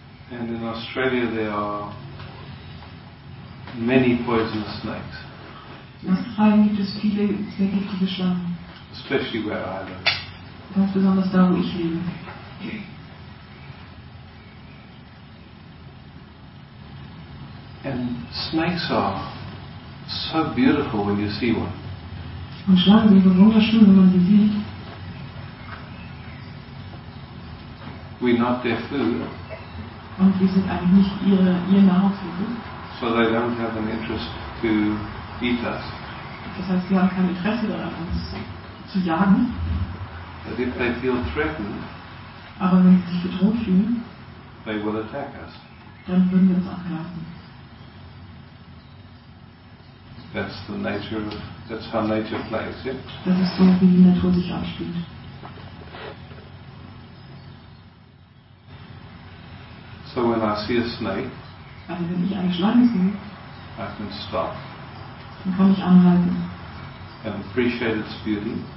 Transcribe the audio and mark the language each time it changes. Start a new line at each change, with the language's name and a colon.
English: And in Australia there are many poisonous snakes.
German: In Australien gibt es viele sehr giftige Schlangen.
English: Especially where I live.
German: Ganz besonders da, wo ich lebe.
English: And snakes are so beautiful when you see one.
German: Und Schlangen sind so wunderschön, wenn man sie sieht.
English: We're not their food.
German: Und wir sind eigentlich nicht ihr Nahrungsmittel.
English: So they don't have an interest to eat us.
German: Das heißt, sie haben kein Interesse daran, uns zu jagen.
English: But if they feel threatened,
German: aber wenn sie sich bedroht fühlen,
English: they will attack us.
German: Dann würden sie uns angreifen.
English: That's the nature of, that's how nature plays, yeah?
German: Das ist so, wie die Natur sich abspielt.
English: So when I see a snake,
German: also wenn ich eine Schlange sehe,
English: I can stop.
German: Dann kann ich anhalten.
English: And appreciate its beauty.